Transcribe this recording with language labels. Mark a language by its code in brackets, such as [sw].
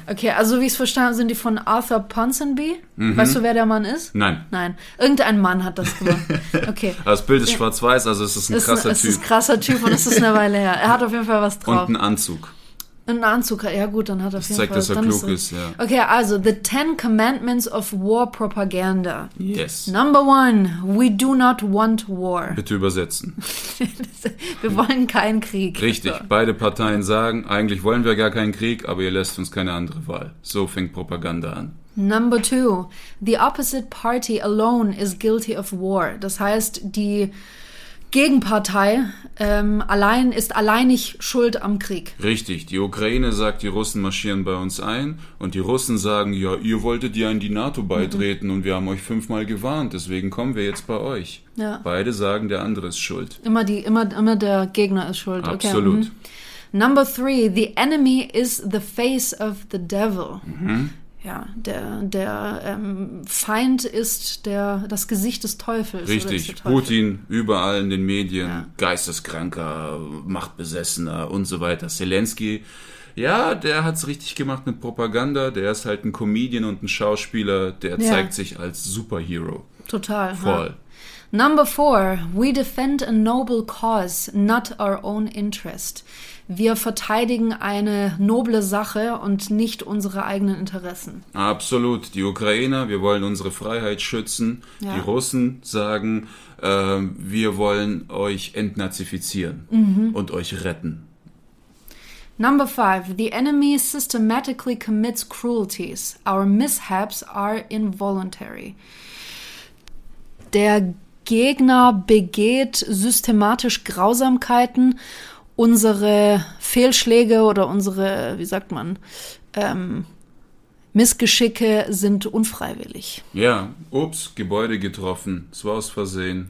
[de] Okay, also wie ich es verstanden habe, sind die von Arthur Ponsonby. Mhm. Weißt du, wer der Mann ist? Nein. Nein, irgendein Mann hat das gemacht. Okay. Das Bild ist schwarz-weiß, also es ist ein krasser Typ. Es ist ein krasser Typ und es ist eine Weile her. Er hat auf jeden Fall was drauf. Und einen Anzug. Ein Anzug, ja gut, dann hat er auf jeden Fall... Das zeigt, dass er klug ist, ja. [en] Okay, also, the Ten Commandments of War Propaganda. Yes. Number one, we do not want war. [de] Bitte übersetzen. Wir wollen keinen Krieg. Richtig, also. Beide Parteien sagen, eigentlich wollen wir gar keinen Krieg, aber ihr lässt uns keine andere Wahl. So fängt Propaganda an. [en] Number two, the opposite party alone is guilty of war. [de] Das heißt, die Gegenpartei ist alleinig schuld am Krieg. Richtig. Die Ukraine sagt, die Russen marschieren bei uns ein. Und die Russen sagen, ja, ihr wolltet ja in die NATO beitreten und wir haben euch 5-mal gewarnt. Deswegen kommen wir jetzt bei euch. Ja. Beide sagen, der andere ist schuld. Immer der Gegner ist schuld. Absolut. Okay. [en] Number three, the enemy is the face of the devil. Mhm. [de] Ja, der Feind ist das Gesicht des Teufels. Richtig, Teufel. Putin überall in den Medien, ja. Geisteskranker, Machtbesessener und so weiter. Zelensky, ja, der hat es richtig gemacht mit Propaganda. Der ist halt ein Comedian und ein Schauspieler, der zeigt sich als Superhero. Total. Voll. Ja. [en] Number four, we defend a noble cause, not our own interest. [de] Wir verteidigen eine noble Sache und nicht unsere eigenen Interessen. Absolut. Die Ukrainer, wir wollen unsere Freiheit schützen. Ja. Die Russen sagen, wir wollen euch entnazifizieren und euch retten. [en] Number five. The enemy systematically commits cruelties. Our mishaps are involuntary. [de] Der Gegner begeht systematisch Grausamkeiten. Unsere Fehlschläge oder unsere, wie sagt man, Missgeschicke sind unfreiwillig. Ja, ups, Gebäude getroffen, es war aus Versehen.